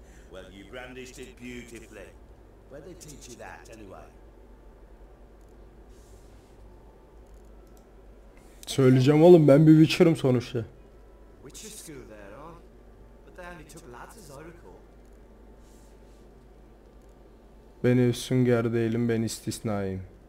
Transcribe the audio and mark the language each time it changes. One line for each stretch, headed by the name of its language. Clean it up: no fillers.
English: Well, you brandished it beautifully. Where they teach you that, anyway?
Turkish: Söyleyeceğim oğlum, ben bir Witcher'ım sonuçta.
English: Witcher school there, huh? But they only took lads, as I recall.
Turkish: Ben üstünger değilim, ben istisnayım.